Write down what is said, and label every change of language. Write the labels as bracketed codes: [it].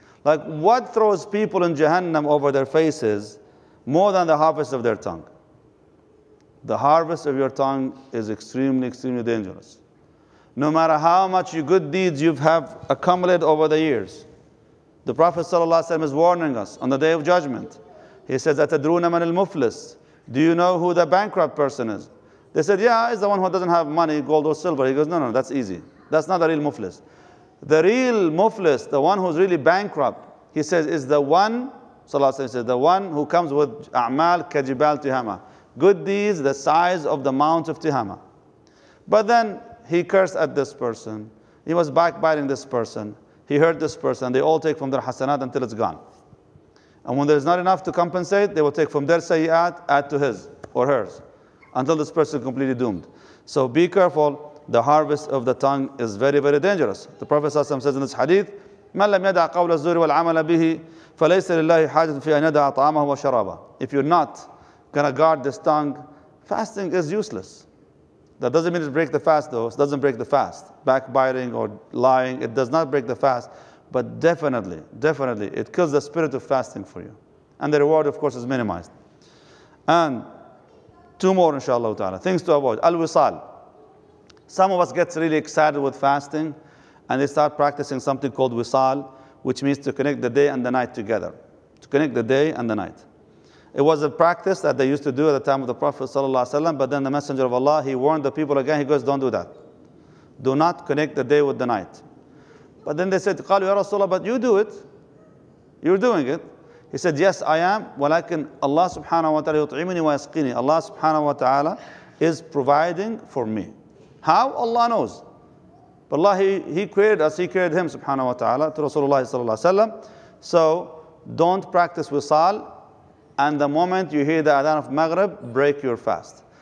[en] Like, what throws people in Jahannam over their faces more than the harvest of their tongue? The harvest of your tongue is extremely, extremely dangerous. No matter how much good deeds you have accumulated over the years, the Prophet ﷺ is warning us on the Day of Judgment. He says, [ar] أَتَدْرُونَ مَنِ الْمُفْلِسِ. [en] Do you know who the bankrupt person is? They said, yeah, it's the one who doesn't have money, gold or silver. He goes, no, that's easy. That's not the real muflis. The real muflis, the one who's really bankrupt, he says, is the one, sallallahu alayhi wa sallam, the one who comes with [ar] a'mal kajibal tihama. [en] Good deeds, the size of the mount of tihama. But then he cursed at this person. He was backbiting this person. He hurt this person. They all take from their hasanat until it's gone. And when there's not enough to compensate, they will take from their sayyat, add to his or hers. Until this person is completely doomed. So be careful the harvest of the tongue is very, very dangerous. [ar] The Prophet says in this hadith, مَنْ لَمْ يَدَعْ قَوْلَ الزُّورِ وَالْعَمَلَ بِهِ فَلَيْسَ لِلَّهِ حَاجَةٌ فِي أَنْ يَدَعْ طَعَامَهُ وَشَرَابَهُ. [en] If you're not going to guard this tongue, fasting is useless. That doesn't mean it breaks the fast, though. It doesn't break the fast. Backbiting or lying, it does not break the fast. But definitely, definitely, it kills the spirit of fasting for you. And the reward, of course, is minimized. And two more, inshallah ta'ala, things to avoid. Al-wisal. Some of us gets really excited with fasting, and they start practicing something called wisal, which means to connect the day and the night together. To connect the day and the night. It was a practice that they used to do at the time of the Prophet sallallahu alaihi wasallam, but then the Messenger of Allah, he warned the people again, he goes, don't do that. Do not connect the day with the night. But then they said, [ar] قَالُوا يَا رَسُولَ اللَّهِ, [en] but you do it. You're doing it. He said, yes, I am, [ar] ولكن الله سبحانه وتعالى يطعمني ويسقيني. [en] Allah subhanahu wa ta'ala is providing for me. How? Allah knows. But Allah, he created us, he created him subhanahu wa ta'ala to Rasulullah sallallahu alayhi wa sallam. So don't practice wisal, and the moment you hear the adhan of Maghrib, break your fast.